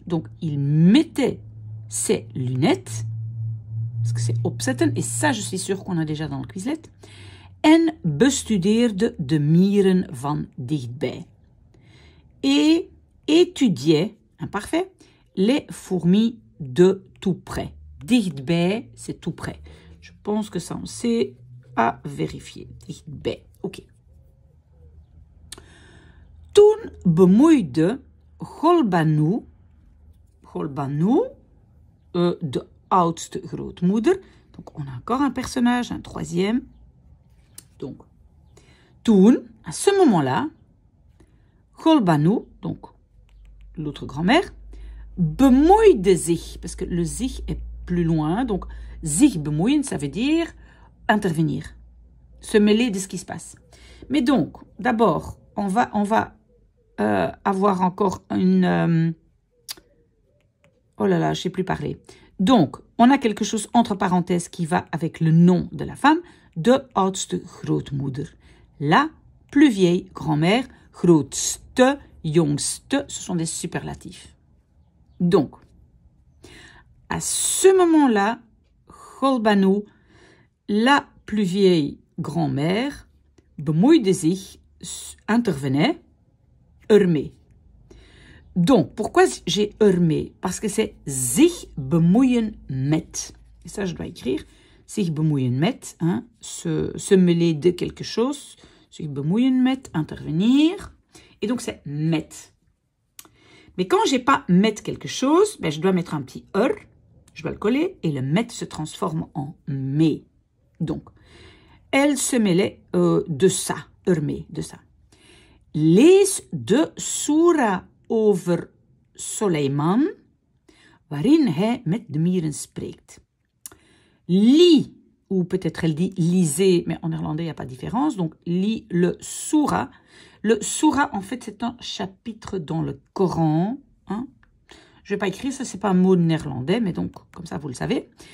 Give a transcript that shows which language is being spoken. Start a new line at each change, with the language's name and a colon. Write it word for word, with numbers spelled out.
French: Donc, il mettait ses lunettes, parce que c'est opzetten, et ça je suis sûre qu'on a déjà dans le Quizlet,
Dutch: en bestudeerde de mieren van dichtbij.
French: Et étudiait, imparfait, les fourmis de tout près. Dichtbij, c'est tout près. Je pense que ça on sait à vérifier.
Dutch: Dichtbij, ok. Toen bemoeide Golbanu, Golbanu, Euh, de oudste grootmoeder.
French: Donc, on a encore un personnage, un troisième. Donc, toen, à ce moment-là, Golbanu, donc l'autre grand-mère,
Dutch: bemoeide zich,
French: parce que le zich est plus loin, donc
Dutch: zich bemoeien,
French: ça veut dire intervenir, se mêler de ce qui se passe. Mais donc, d'abord, on va, on va euh, avoir encore une... Euh, oh là là, je ne sais plus parler. Donc, on a quelque chose entre parenthèses qui va avec le nom de la femme,
Dutch: de oudste grootmoeder.
French: La plus vieille grand-mère, grootste, jongste, ce sont des superlatifs. Donc, à ce moment-là, Golbano, la plus vieille grand-mère,
Dutch: bemoeide zich,
French: intervenait, ermé. Donc, pourquoi j'ai ermé? Parce que c'est
Dutch: zich bemoeien met.
French: Et ça, je dois écrire.
Dutch: Zich bemoeien met,
French: hein, se, se mêler de quelque chose.
Dutch: Zich bemoeien met,
French: intervenir. Et donc, c'est met. Mais quand je n'ai pas mettre quelque chose, ben je dois mettre un petit er, je dois le coller, et le mettre se transforme en mais. Donc, elle se mêlait euh, de ça, er mais, de ça.
Dutch: Lees de Soura over Soleiman, waarin hij met de mieren spreekt.
French: Lis, ou peut-être elle dit lisez, mais en néerlandais il n'y a pas de différence, donc lis le Soura. Le Soura, en fait, c'est un chapitre dans le Coran. Hein? Je ne vais pas écrire ça, ce n'est pas un mot néerlandais, mais donc, comme ça, vous le savez.